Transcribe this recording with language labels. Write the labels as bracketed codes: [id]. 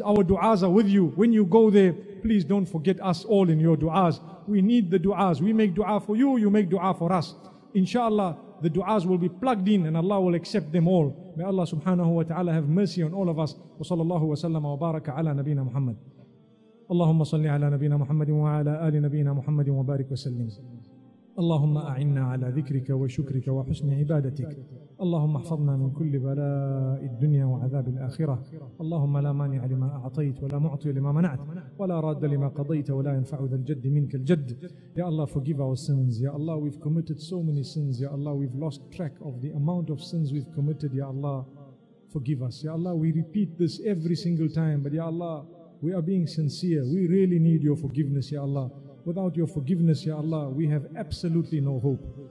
[en] Our du'as are with you. When you go there, please don't forget us all in your du'as. We need the du'as. We make du'a for you, you make du'a for us. Inshallah, the du'as will be plugged in and Allah will accept them all. May Allah subhanahu wa ta'ala have mercy on all of us. [ar] Wa sallallahu wa sallam wa baraka ala nabina Muhammad. اللهم صل على نبينا محمد وعلى آل نبينا محمد وبارك وسلم. اللهم أعنا على ذكرك وشكرك وحسن عبادتك. اللهم احفظنا من كل بلاء الدنيا وعذاب الآخرة. اللهم لا مانع لما أعطيت ولا معطي لما منعت ولا راد لما قضيت ولا ينفع ذا الجد منك الجد. [en] يا الله forgive our sins. يا الله we've committed so many sins. يا الله we've lost track of the amount of sins we've committed. يا الله forgive us. يا الله we repeat this every single time, but يا الله we are being sincere. We really need your forgiveness, Ya Allah. Without your forgiveness, Ya Allah, we have absolutely no hope.